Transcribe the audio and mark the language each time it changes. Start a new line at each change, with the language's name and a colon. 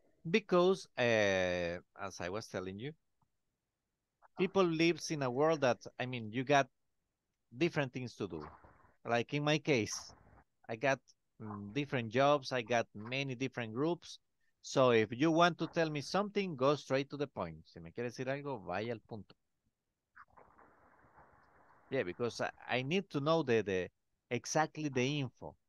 English: Because, as I was telling you, people lives in a world that, I mean, you got different things to do. Like in my case, I got different jobs. I got many different groups. So if you want to tell me something, go straight to the point.
Spanish: Si me quieres decir algo, vaya al punto.
English: Yeah, because I need to know exactly the info.